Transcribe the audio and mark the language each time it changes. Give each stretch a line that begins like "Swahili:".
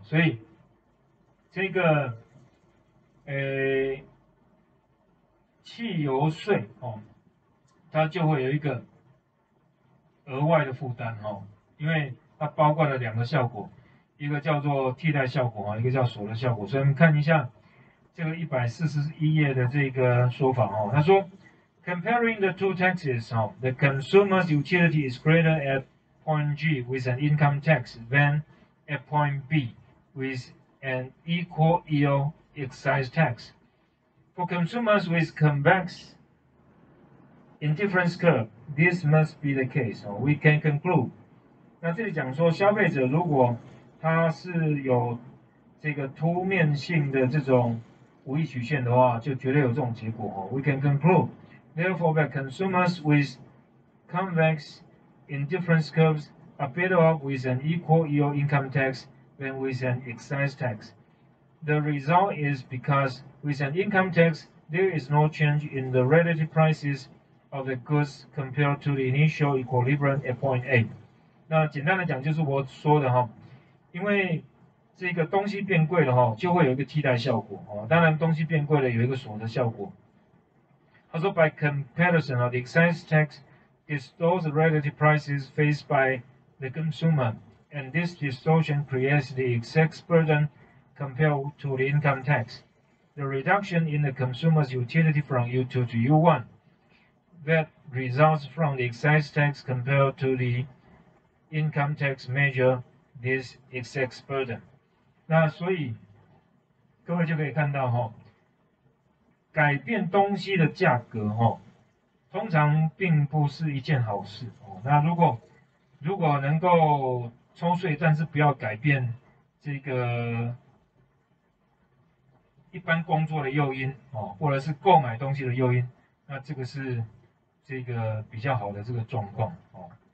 Chinese: 所以这个，汽油税哦，它就会有一个额外的负担哦，因为它包括了两个效果，一个叫做替代效果啊，一个叫所得效果。所以我们看一下这个141页的这个说法哦，他说，
English: Comparing the two taxes, the consumer's utility is greater at point G with an income tax than at point B with an equal yield excise tax. For consumers with convex indifference curve, this must be the case. We can conclude.
Chinese: 那这里讲说，消费者如果他是有这个凸面性的这种无意曲线的话，就绝对有这种结果哦。
English: We can conclude, therefore, that consumers with convex indifference curves are better off with an equal yield income tax than with an excise tax. The result is because with an income tax, there is no change in the relative prices of the goods compared to the initial equilibrium at point A.
Chinese: 那简单的讲就是我说的哈，因为这个东西变贵了哈，就会有一个替代效果哦。当然，东西变贵了有一个所得效果。他说，
English: by comparison of the excise tax distorts the relative prices faced by the consumer, and this distortion creates the excess burden compared to the income tax. The reduction in the consumer's utility from U2 to U1 that results from the excise tax compared to the income tax measure this excess burden.
Chinese: 那所以各位就可以看到哈，改变东西的价格哈，通常并不是一件好事哦。那如果能够抽税，但是不要改变这个一般工作的诱因哦，或者是购买东西的诱因，那这个是这个比较好的这个状况哦。